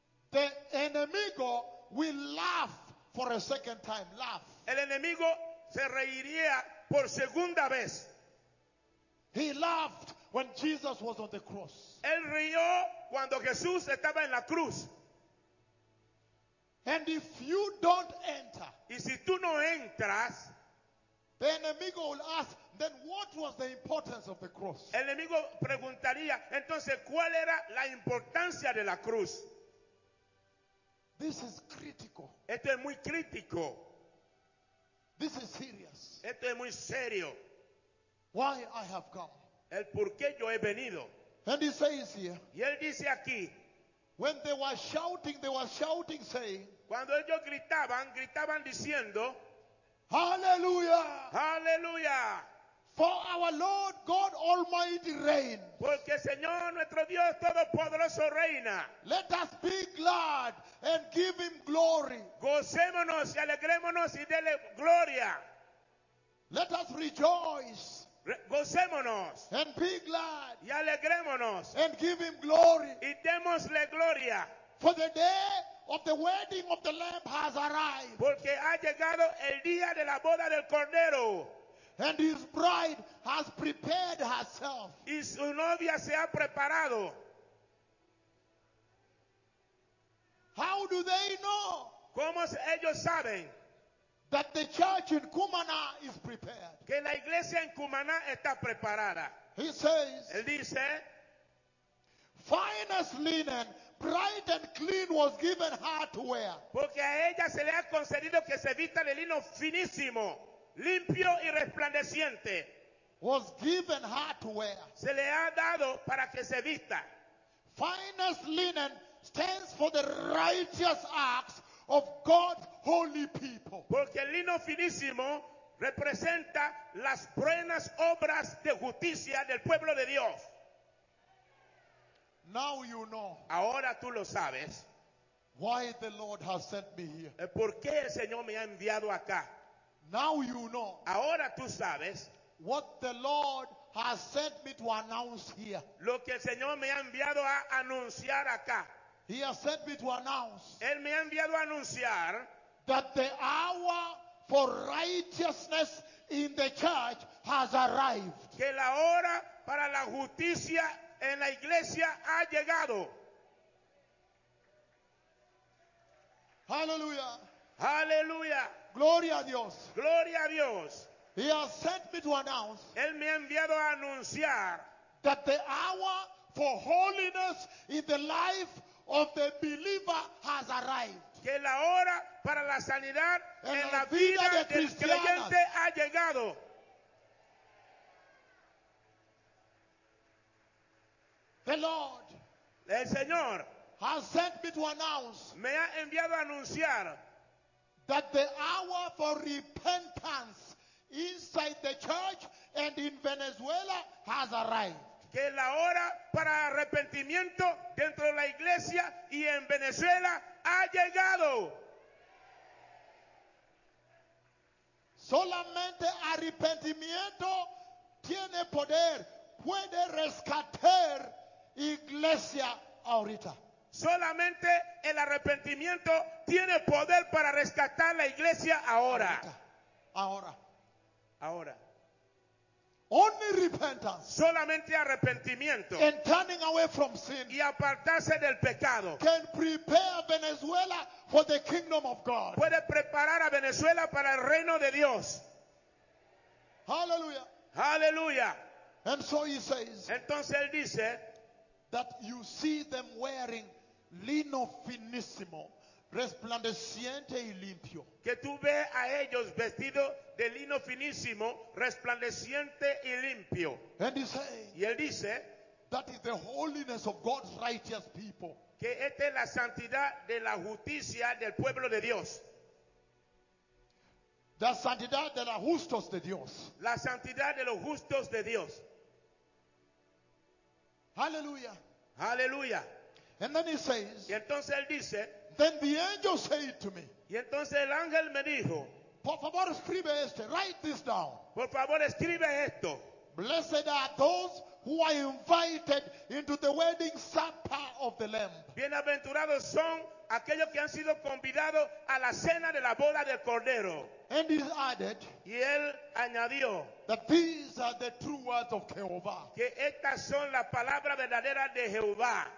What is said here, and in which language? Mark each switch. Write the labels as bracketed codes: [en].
[en] the enemigo will laugh for a second time. Laugh. [es] El enemigo se reiría por segunda vez. [en] He laughed when Jesus was on the cross. [es] Él rió cuando Jesús estaba en la cruz. [en] And if you don't enter, [es] y si tú no entras, [en] the enemigo will ask, then what was the importance of the cross? [es] El enemigo preguntaría, entonces, ¿cuál era la importancia de la cruz? [en] This is critical. [es] Esto es muy crítico. [en] This is serious. [es] Esto es muy serio. [en] Why I have come. [es] El por qué yo he venido. [en] And he says here, [es] y él dice aquí, [en] when they were shouting saying, [es] cuando ellos gritaban, gritaban diciendo, Hallelujah! Hallelujah! [en] For our Lord God Almighty reigns. [es] Porque Señor nuestro Dios Todopoderoso reina. [en] Let us be glad and give him glory. [es] Gocémonos y alegrémonos y dele gloria. [en] Let us rejoice. [es] Gocémonos [en] and be glad. [es] Y alegrémonos. [en] And give him glory. [es] Y démosle gloria. [en] For the day of the wedding of the Lamb has arrived. [es] Porque ha llegado el día de la boda del Cordero. [en] And his bride has prepared herself. [es] Y su novia se ha preparado. [en] How do they know? [es] ¿Cómo ellos saben? [en] That the church in Cumaná is prepared. [es] Que la iglesia en Cumaná está preparada. [en] He says, [es] él dice, [en] finest linen, bright and clean, was given her to wear. [es] Porque a ella se le ha concedido que se vista de lino finísimo, limpio y resplandeciente. [en] Was given her to wear. [es] Se le ha dado para que se vista. [en] Finest linen stands for the righteous acts of God's holy people. [es] Porque el lino finísimo representa las buenas obras de justicia del pueblo de Dios. [en] Now you know. [es] Ahora tú lo sabes. [en] Why the Lord has sent me here. [es] ¿Por qué el Señor me ha enviado acá? [en] Now you know. [es] Ahora tú sabes. [en] What the Lord has sent me to announce here. [es] Lo que el Señor me ha enviado a anunciar acá. [en] He has sent me to announce. [es] Él me ha enviado a anunciar. [en] That the hour for righteousness in the church has arrived. [es] Que la hora para la justicia en la iglesia ha llegado. Hallelujah. Hallelujah. Gloria a Dios. Gloria a Dios. [en] He has sent me to announce. [es] Él me ha enviado a anunciar. [en] That the hour for holiness in the life of the believer has arrived. [es] Que la hora para la sanidad en la vida del creyente ha llegado. [en] The Lord, [es] el Señor, [en] has sent me to announce. [es] Me ha enviado a anunciar. [en] That the hour for repentance inside the church and in Venezuela has arrived. [es] Que la hora para arrepentimiento dentro de la iglesia y en Venezuela ha llegado. Solamente arrepentimiento tiene poder, puede rescatar iglesia ahorita. Solamente el arrepentimiento tiene poder para rescatar la iglesia ahora. Ahora. Ahora. [en] Only repentance. [es] Solamente arrepentimiento. [en] And turning away from sin. [es] Y apartarse del pecado. [en] Can prepare Venezuela for the kingdom of God. [es] Puede preparar a Venezuela para el reino de Dios. Hallelujah. Hallelujah. [en] And so he says. [es] Entonces él dice. [en] That you see them wearing [es] lino finísimo, resplandeciente y limpio. Que tú ves a ellos vestidos de lino finísimo, resplandeciente y limpio. [en] And he say, [es] y él dice, [en] that is the holiness of God's righteous people. [es] Que esta es la santidad de la justicia del pueblo de Dios. La santidad de los justos de Dios. La santidad de los justos de Dios. Hallelujah. Hallelujah. [en] And then he says, [es] y entonces él dice, [en] then the angel said to me, [es] y entonces el ángel me dijo, por favor escribe este, [en] write this down. [es] Por favor escribe esto. [en] Blessed are those who are invited into the wedding supper of the Lamb. [es] Bienaventurados son aquellos que han sido convidados a la cena de la boda del Cordero. [en] And he added, [es] y él añadió, [en] that these are the true words of Jehovah. [es] Que estas son las palabras verdaderas de Jehová.